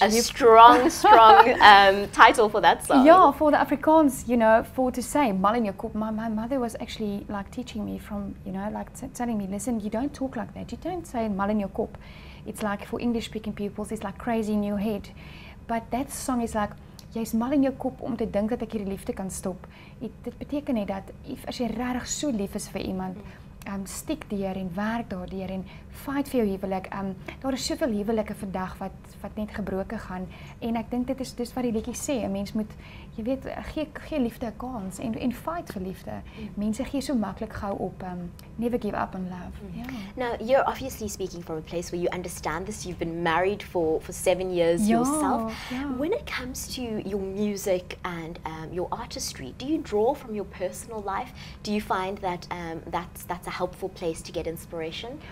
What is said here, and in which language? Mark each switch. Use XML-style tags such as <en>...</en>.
<en>a strong, strong title for that song. Yeah, for the Afrikaans, you know, for to say Mal in Your Kop. My mother was actually like teaching me from, you know, like telling me, listen, you don't talk like that. You don't say Mal in Your Kop. It's like for English speaking peoples, it's like crazy in your head.</en> <af>But that song is like, jy's mal in jou kop om te dink dat ek hierdie liefde kan stop. Dit beteken net dat as jy regtig so lief is vir iemand, stiek deur en werk daardeur en fight vir jou huwelik. Daar is soveel huwelike vandag wat net gebroken gaan. En ek dink dit is wat die liedjie sê. 'N mens moet, jy weet, gee liefde 'n kans en fight vir liefde. Mense gee so maklik gou op. Never give up on love. Yeah.</af> <en>Now, you're obviously speaking from a place where you understand this. You've been married for 7 years yourself. Yeah. When it comes to your music and your artistry, do you draw from your personal life? Do you find that that's a helpful place to get inspiration?</en>